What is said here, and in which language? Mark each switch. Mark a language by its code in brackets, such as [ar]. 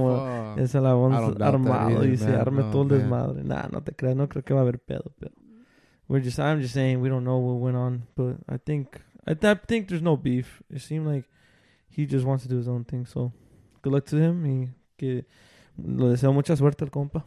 [es] Como esa la vamos armado y se arme todo el desmadre. Nah, no te creas, no creo que va a haber pedo, pero. [en] I'm just saying we don't know what went on, but I think there's no beef. It seemed like he just wants to do his own thing. So good luck to him. [es] Y que lo deseo mucha suerte al compa.